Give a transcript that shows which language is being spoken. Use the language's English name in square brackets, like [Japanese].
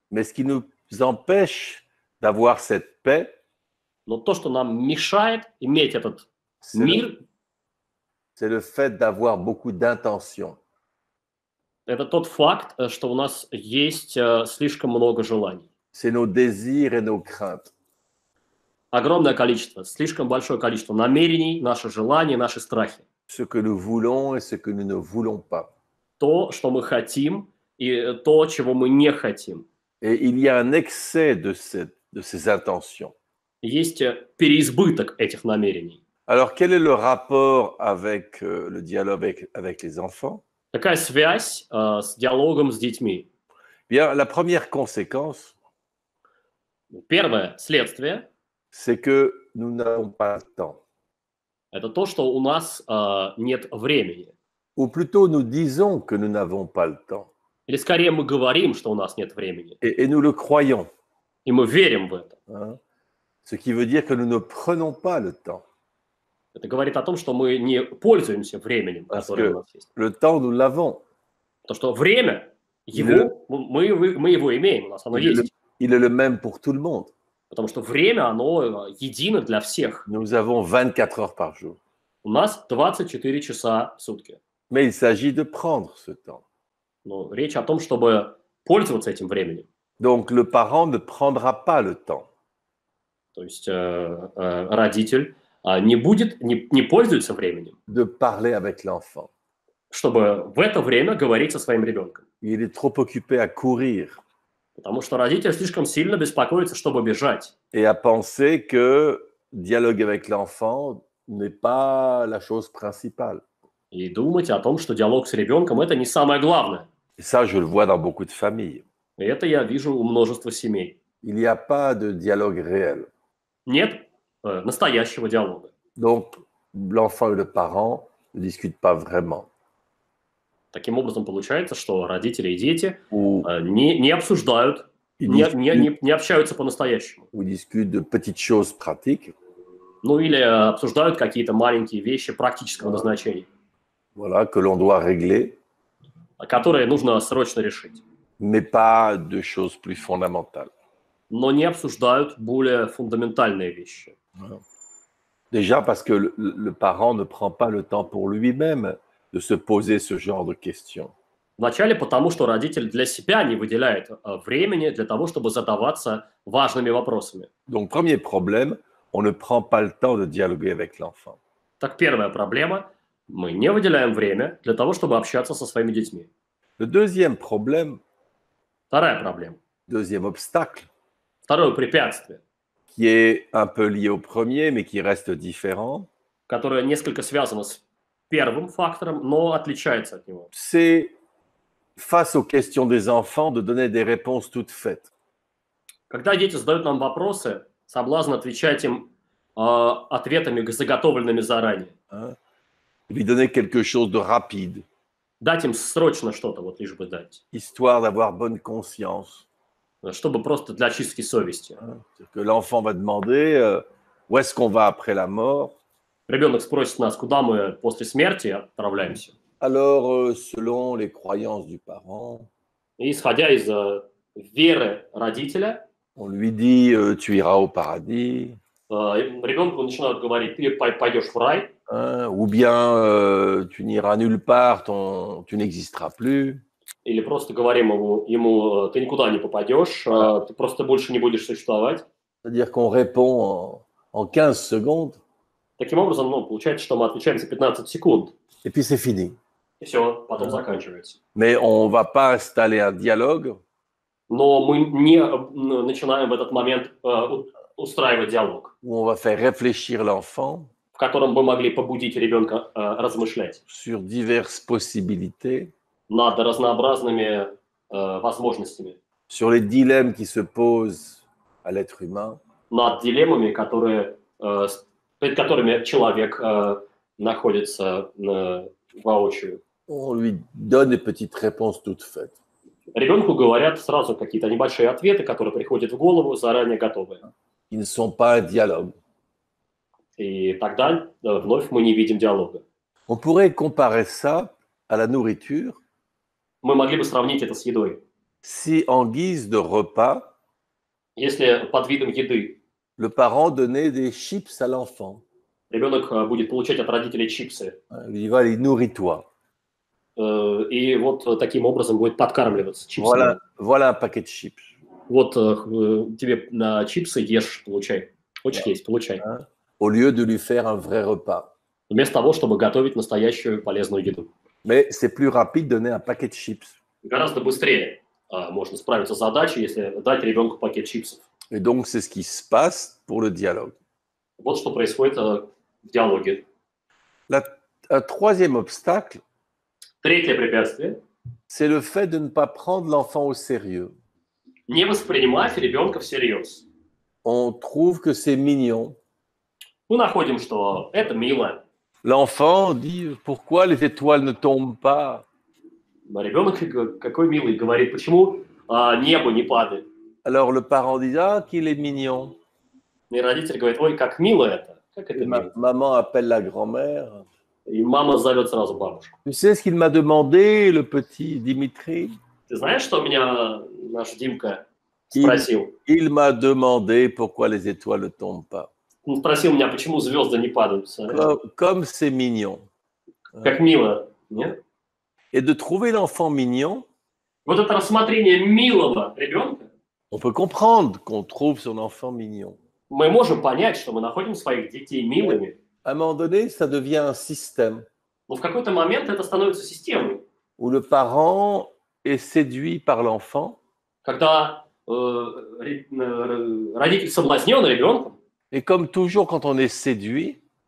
[French] Mais ce qui nous empêche d'avoir cette paix, [Russian] но то, что нам мешает иметь этот мир, [French] c'est le fait d'avoir beaucoup d'intentions. [Russian] Это тот факт, что у нас есть слишком много желаний. [French] C'est nos désirs et nos craintes. [Russian] Огромное количество, слишком большое количество намерений, наши желания, наши страхи. [French] Ce que nous voulons et ce que nous ne voulons pas. [Russian] То, что мы хотим, и то, чего мы не хотим. [French] Et il y a un excès de ces intentions. [Russian] Есть переизбыток этих намерений. [French] Alors, quel est le rapport avec le dialogue avec les enfants? [Russian] Какая связь с диалогом с детьми? [French] Bien, la première conséquence, [Russian] первое следствие, [French] c'est que nous n'avons pas le temps. [Russian] Это то, что у нас нет времени. [French] Ou plutôt, nous disons que nous n'avons pas le temps. [Russian] Или скорее мы говорим, что у нас нет времени. [French] Et nous le croyons. [Russian] И мы верим в это. Hein? [French] Ce qui veut dire que nous ne prenons pas le temps. [Russian] Это говорит о том, что мы не пользуемся временем, [French] Parce [Russian] которое у нас есть. [French] Le temps, nous l'avons. [Russian] То, что время, его, мы его имеем, у нас оно [French] il [Russian] есть. [French] Il est le même pour tout le monde. [Russian] Потому что время, оно едино для всех. [French] Nous avons 24 heures par jour. [Russian] У нас 24 часа в сутки. [French] Mais il s'agit de prendre ce temps. [Russian] Но речь о том, чтобы пользоваться этим временем. [French] Donc le parent ne prendra pas le temps. [Russian] То есть родитель не пользуется временем. [French] De parler avec l'enfant. [Russian] Чтобы в это время говорить со своим ребенком. [French] Il est trop occupé à courir. [Russian] Потому что родитель слишком сильно беспокоится, чтобы бежать. [French] Et à penser que dialogue avec l'enfant n'est pas la chose principale. [Russian] И думать о том, что диалог с ребенком это не самое главное. [French] Et ça, je le vois dans beaucoup de familles. [Russian] И это я вижу у множества семей. [French] Il n'y a pas de dialogue réel. [Russian] Нет настоящего диалога. [French] Donc, l'enfant et le parent ne discutent pas vraiment. [Russian] Таким образом, получается, что родители и дети не обсуждают, не общаются по-настоящему. [French] Ils discutent de petites choses pratiques. [Russian] Ну, или обсуждают какие-то маленькие вещи практического назначения. [French] Voilà, que l'on doit régler. [Russian] Которые нужно срочно решить. [French] Mais pas de choses plus fondamentales. [Russian] Но не обсуждают более фундаментальные вещи. [French] Déjà parce que le parent ne prend pas le temps pour lui-même de se poser ce genre de questions. [Russian] Вначале потому, что родитель для себя не выделяет времени для того, чтобы задаваться важными вопросами. [French] Donc, premier problème, on ne prend pas le temps de dialoguer avec l'enfant. [Russian] Так, первая проблема, мы не выделяем время для того, чтобы общаться со своими детьми. [French] Le deuxième problème, [Russian] вторая проблема, [French] deuxième obstacle, [Russian] второе препятствие, [French] qui est un peu lié au premier, mais qui reste différent, [Russian] которое несколько связано с первым фактором, но отличается от него. [French] C'est face aux questions des enfants de donner des réponses toutes faites. [Russian] Когда дети задают нам вопросы, соблазн отвечать им ответами, заготовленными заранее. [French] Lui donner quelque chose de rapide. [Russian] Дать им срочно что-то, вот лишь бы дать. [French] Histoire d'avoir bonne conscience. [Russian] Чтобы просто для очистки совести. [French] Que l'enfant va demander où est-ce qu'on va après la mort. [Russian] Ребенок спросит нас, куда мы после смерти отправляемся. [French] Alors, selon les croyances du parent, [Russian] исходя из веры родителя, [French] on lui dit, tu iras au paradis. [Russian] Ребенку начинают говорить, ты пойдешь в рай. [French] Ou bien, tu n'iras nulle part, tu n'existeras plus. [Russian] Или просто говорим ему, ты никуда не попадешь, ты просто больше не будешь существовать. [French] C'est-à-dire qu'on répond en 15 secondes. [Russian] Таким образом, ну, получается, что мы отвечаем за 15 секунд. [French] Et puis c'est fini. [Russian] И все, потом заканчивается. [French] Mais on va pas installer un dialogue. [Russian] Но мы не начинаем в этот момент устраивать диалог. [French] Où on va faire réfléchir l'enfant. [Russian] В котором мы могли побудить ребенка размышлять. [French] Sur diverses possibilités. [Russian] Над разнообразными возможностями. [French] Sur les dilemmes qui se posent à l'être humain. [Russian] Над дилеммами, которые перед которыми человек находится воочию. [French] On lui donne des petites réponses toutes faites. [Russian] Ребенку говорят сразу какие-то небольшие ответы, которые приходят в голову заранее готовые. [French] Ils ne sont pas un dialogue. [Russian] И тогда вновь мы не видим диалога. [French] On pourrait comparer ça à la nourriture. [Russian] Мы могли бы сравнить это с едой. [French] Si en guise de repas, [Russian] если под видом еды, [French] le parent donnait des chips à l'enfant. [Russian] Ребенок будет получать от родителей чипсы. [French] Il va les nourrir toi. [Russian] И вот таким образом будет подкармливаться чипсами. [French] Voilà, voilà un paquet de chips. [Russian] Вот тебе на чипсы ешь, получай. Хочешь есть, получай. [French] Au lieu de lui faire un vrai repas. [Russian] Вместо того, чтобы готовить настоящую полезную еду. [French] Mais c'est plus rapide donner un paquet de chips. [Russian] Гораздо быстрее можно справиться с задачей, если дать ребенку пакет чипсов. [French] Et donc c'est ce qui se passe pour le dialogue. [Russian] Вот что происходит в диалоге. [French] Un troisième obstacle. [Russian] Третье препятствие. [French] C'est le fait de ne pas prendre l'enfant au sérieux. [Russian] Не воспринимать ребенка всерьез. [French] On trouve que c'est mignon. [Russian] Мы находим, что это мило. [French] L'enfant dit pourquoi les étoiles ne tombent pas. [Russian] Ребенок какой милый говорит, почему небо не падает. [French] Alors le parent dit ah qu'il est mignon. [Russian] Et родитель говорит, ой, как мило это. Как это мило. [French] Maman appelle la grand-mère. [Russian] Et maman зовет сразу бабушку. [French] Tu sais ce qu'il m'a demandé le petit Dimitri? [Russian] Ты знаешь, что меня наш Димка спросил? [French] Il m'a demandé pourquoi les étoiles ne tombent pas. [Russian] Он спросил меня, почему звезды не падают. [French] Comme c'est mignon. [Russian] Как мило, нет? [French] Et de trouver l'enfant mignon. [Russian] Вот это рассмотрение милого ребенка. [French] On peut comprendre qu'on trouve son enfant mignon. [Russian] Мы можем понять, что мы находим своих детей милыми. [French] À un moment donné, ça devient un système. [Russian] Но в какой-то момент это становится системой. [French] Où le parent est séduit par l'enfant. [Russian] Когда родитель соблазнен ребенком. [French] Et comme toujours quand on est séduit,